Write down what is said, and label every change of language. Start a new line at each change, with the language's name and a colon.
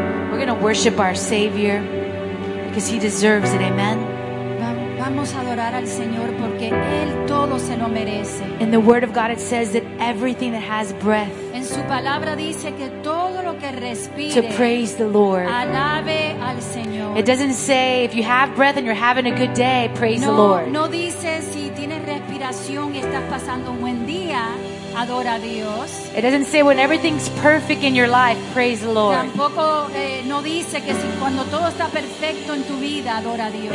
English: We're going to worship our Savior because He deserves it, amen.
Spanish: Vamos a adorar al Señor porque Él todo se lo merece.
English: In the Word of God it says that everything that has breath.
Spanish: En su palabra dice que todo lo que respire.
English: To praise the Lord.
Spanish: Alabe al Señor.
English: It doesn't say if you have breath and you're having a good day, praise
Spanish: no,
English: the Lord.
Spanish: No dice si tienes respiración y estás pasando un buen día, adora a Dios.
English: It doesn't say when everything's perfect in your life, praise the Lord.
Spanish: Tampoco no dice que si cuando todo está perfecto en tu vida, adora a Dios.